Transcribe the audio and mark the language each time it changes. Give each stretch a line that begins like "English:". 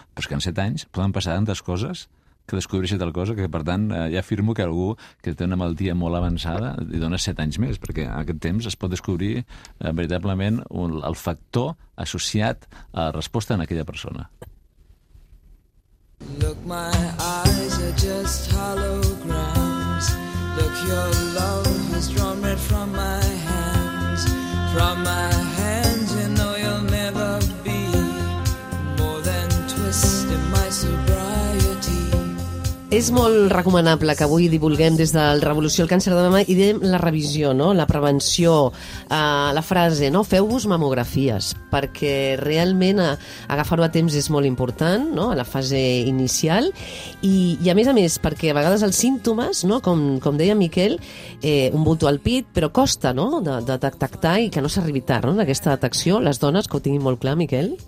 Catalan: Però és que en 7 anys poden passar tantes coses que descobreixi tal cosa, que per tant ja afirmo que algú que té una malaltia molt avançada li dona 7 anys més, perquè en aquest temps es pot descobrir veritablement el factor associat a la resposta en aquella persona.
English: Look, my eyes are just holograms. Look, your love has drawn red from my hands. From my hands, you know you'll never be more than twist in my sobriety.
Catalan: És molt recomanable que avui divulguem des del Revolució el càncer de mama i diem la revisió, no?, la prevenció, la frase, no?, feu-vos mamografies, perquè realment agafar-ho a temps és molt important, no?, a la fase inicial, i a més, perquè a vegades els símptomes, no?, com deia Miquel, un bulto al pit, però costa, no?, de detectar i que no s'arribi tard, no?, d'aquesta detecció, les dones, que ho tinguin molt clar, Miquel.